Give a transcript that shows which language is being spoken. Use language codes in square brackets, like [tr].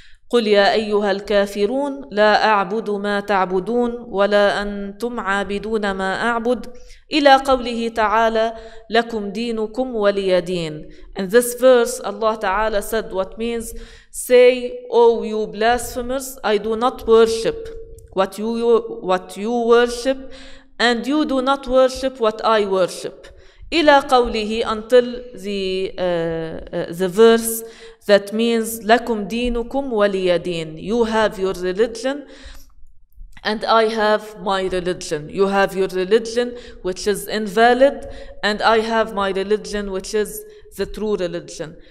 [ar] قل يا أيها الكافرون لا أعبد ما تعبدون ولا أنتم عابدون ما أعبد إلى قوله تعالى لكم دينكم ولي دين. [en] In this verse, Allah تعالى said what means Say, O you blasphemers, I do not worship what you worship, and you do not worship what I worship. [ar] إلى قوله [en] until the verse that means [ar] لكم دينكم ولي دين. [en] You have your religion, and I have my religion. You have your religion, which is invalid, and I have my religion, which is the true religion.